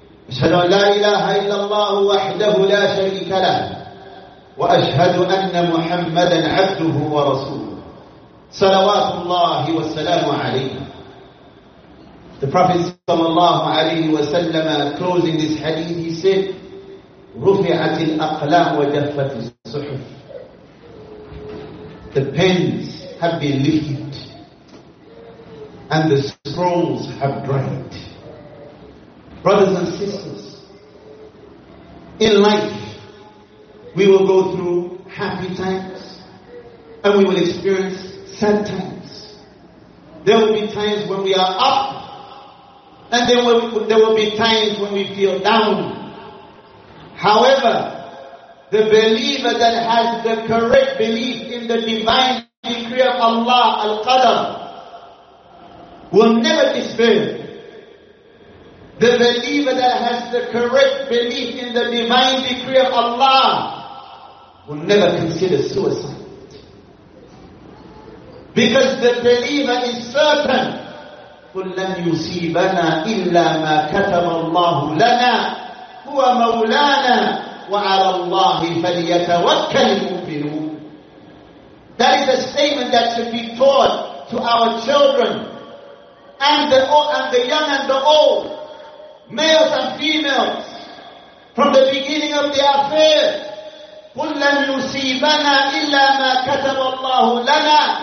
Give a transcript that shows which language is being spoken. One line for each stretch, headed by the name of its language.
Arabic: أشهد أن لا إله إلا الله وحده لا شريك له وأشهد أن محمدا عبده ورسوله صلوات الله والسلام عليه.
English: The Prophet
Arabic: صلى الله عليه وسلم
English: closing this hadith, he said,
Arabic: رفعت الأقلام وجفت الصحف.
English: The pens have been lifted and the scrolls have dried. Brothers and sisters, in life we will go through happy times and we will experience sad times. There will be times when we are up And there will be times when we feel down. However, the believer that has the correct belief in the divine decree of Allah, Al-Qadr, will never despair. The believer that has the correct belief in the divine decree of Allah will never consider suicide. Because the believer is certain,
Arabic: قُلْ لَنْ يُسِيبَنَا إِلَّا مَا كَتَبَ اللَّهُ لَنَا هُوَ مَوْلَانَا وَعَلَى اللَّهِ فَلْيَتَوَكَّلِ الْمُؤْمِنُونَ.
English: That is a statement that should be taught to our children and the young and the old, males and females, from the beginning of the affair.
Arabic: قُلْ لَنْ يُسِيبَنَا إِلَّا مَا كَتَبَ اللَّهُ لَنَا.